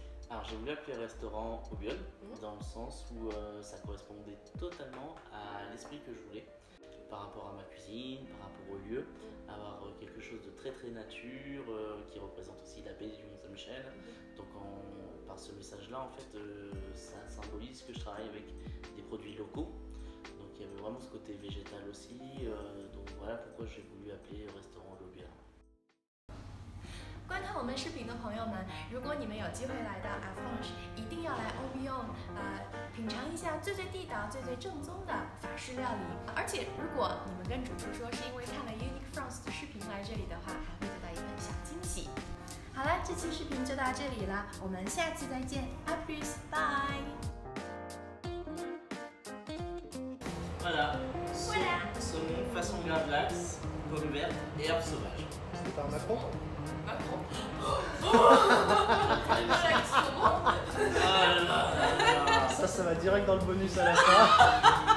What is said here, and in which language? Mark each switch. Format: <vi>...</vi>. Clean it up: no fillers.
<fr>Alors j'ai voulu appeler le restaurant Obium dans le sens où ça correspondait totalement à l'esprit que je voulais par rapport à ma cuisine, par rapport au lieu, avoir quelque chose de très très nature qui représente aussi la baie du Mont-Saint-Michel. Donc par ce message là en fait ça symbolise que je travaille avec des produits locaux, donc il y avait vraiment ce côté végétal aussi, donc voilà pourquoi j'ai voulu appeler le restaurant Obium.</fr> <zh>观看我们视频的朋友们，如果你们有机会来到 Afonche， 一定要来 Obium， 品尝一下最最地道、最最正宗的法式料理。而且，如果你们跟主厨说是因为看了 Unique France 的视频来这里的话，还会得到一份小惊喜。好了，这期视频就到这里了，我们下期再见 ，Afris， bye。</zh> <fr>Voilà, son façon grave lax, pomme verte et herbe sauvage. C'est pas un macron? Macron? Ça va direct dans le bonus à la fin.</fr>